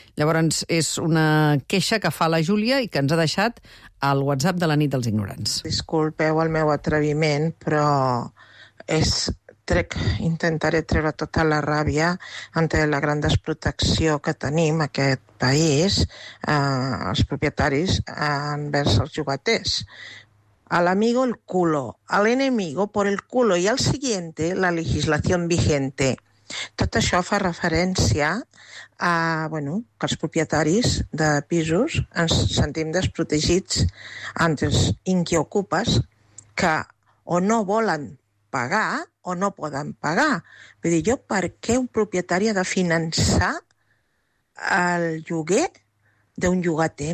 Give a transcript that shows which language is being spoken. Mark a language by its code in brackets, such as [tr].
[ca] Llavors, és una queixa que fa la Júlia i que ens ha deixat al WhatsApp de la Nit dels Ignorants. Disculpeu el meu atreviment, però és... intentaré treure tota la ràbia ante la gran desprotecció que tenim en aquest país, els propietaris, envers els llogaters. [es] A l'amigo el culo, a l'enemigo por el culo i al siguiente la legislación vigente. [ca] Tot això fa referència a, bueno, que els propietaris de pisos ens sentim desprotegits ante els inquiocupes que o no volen pagar o no poden pagar. Vull dir, jo per què un propietari ha de finançar el lloguer d'un llogater?